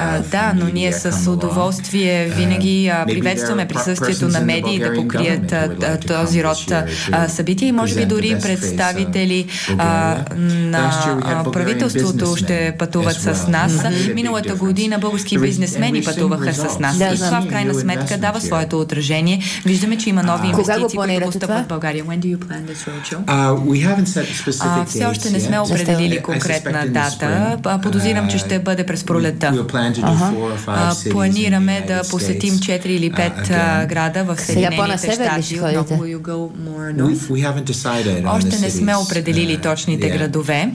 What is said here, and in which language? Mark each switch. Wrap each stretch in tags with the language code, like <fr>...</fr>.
<bg>Да, но ние с удоволствие винаги приветстваме присъствието на медии да покрият този род събития и може би дори представители на правителството ще пътуват с нас. Миналата година български бизнесмени пътуваха с с нас. Да, и това в крайна сметка дава своето отражение. Виждаме, че има нови инвестиции, които постъпват в България.</bg> <en>When do you plan this roadshow? We haven't set specific dates.</en> <bg>Все още не сме определили конкретна дата. Подозирам, че ще бъде през пролетта. Планираме да посетим 4 или 5 града в Съединените щати.</bg> <en>We haven't decided on this.</en> <bg>Още не сме определили точните градове.</bg>